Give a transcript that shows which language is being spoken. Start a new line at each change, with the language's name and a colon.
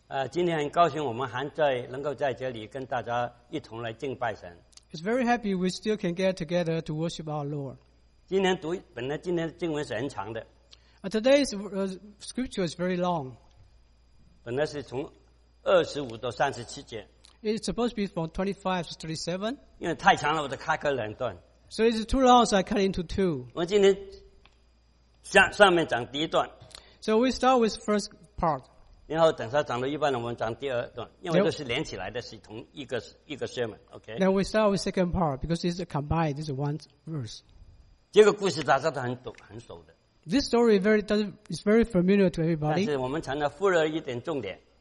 Chinese: 今天很高兴我们还在能够在这里跟大家一同来敬拜神。
English: It's very happy we still can get together to worship our Lord.
Chinese: 本来今天的经文是很长的。
English: Today's scripture is very long.
Chinese: 本来是从25到37节。
English: It's supposed to be from 25 to 37.
Chinese: 因为太长了我就开个两段。
English: So it's too long, so I cut into two.
Chinese: 我今天上面讲第一段。
English: So we start with first part.
Chinese: 然后等下讲到一半了，我们讲第二段，因为这是连起来的，是同一个 sermon.
English: Okay. Then we start with second part because it's combined. This is one verse.
Chinese: 这个故事大家都很熟的。
English: This story is very familiar to everybody.
Chinese: 但是我们常常忽略一点重点。